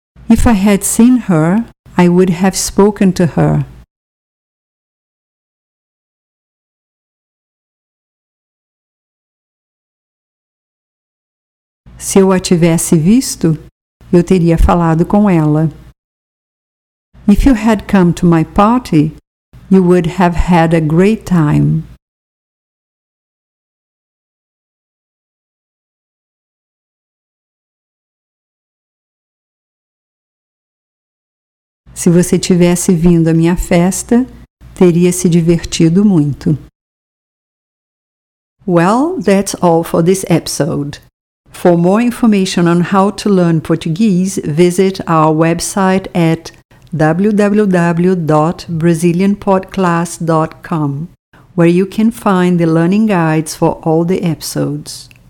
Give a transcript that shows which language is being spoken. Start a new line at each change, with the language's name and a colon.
English: If I had seen her, I would have spoken to her.
Portuguese: Se eu a tivesse visto, eu teria falado com ela.
English: If you had come to my party, you would have had a great time.
Portuguese: Se você tivesse vindo à minha festa, teria se divertido muito.
English: Well, that's all for this episode. For more information on how to learn Portuguese, visit our website at www.brazilianpodclass.com, where you can find the learning guides for all the episodes.